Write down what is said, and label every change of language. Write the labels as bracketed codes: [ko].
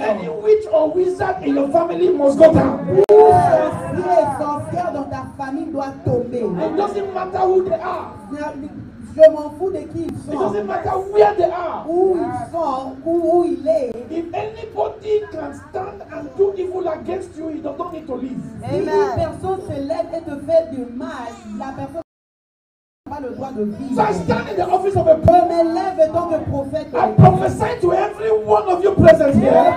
[en] any witch or wizard in your family must go down. [fr] Sorcier et sorcière dans ta famille doit tomber. [en] It doesn't matter who they are. [fr] Je m'en fous de qui ils sont. [en] It doesn't matter where they are. [fr] Où ils sont, où il est. [en] If anybody can stand and do evil against you, you don't need to leave. Amen. [fr] Si une personne se lève et te fait du mal, la personne pas le droit de vivre. [en] So I stand in the office of a prophet. [fr] Je me lève en tant que prophète. [en] I prophesy to every one of you present here.